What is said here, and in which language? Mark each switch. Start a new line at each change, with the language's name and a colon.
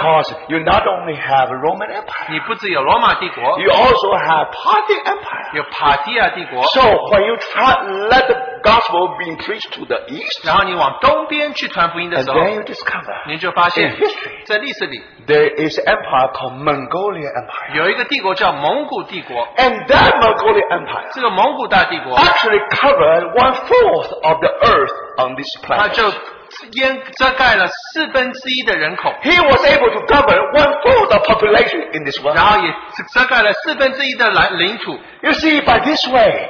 English: Because you not only have a Roman Empire,
Chinese: 你不只有罗马帝国,
English: you also have Parthian Empire.
Chinese: 有帕提亚帝国,
English: so when you try let the gospel be preached to the east,
Chinese: 然后你往东边去传福音的时候,
English: and then you discover
Chinese: 你就发现,
English: in history,
Chinese: 在历史里,
English: there is an empire called Mongolia Empire.
Chinese: 有一个帝国叫蒙古帝国,
English: and that Mongolia Empire
Chinese: 这个蒙古大帝国,
English: actually covered one-fourth of the earth on this planet. He was able to govern one-fourth of the population in this world. You see, by this way,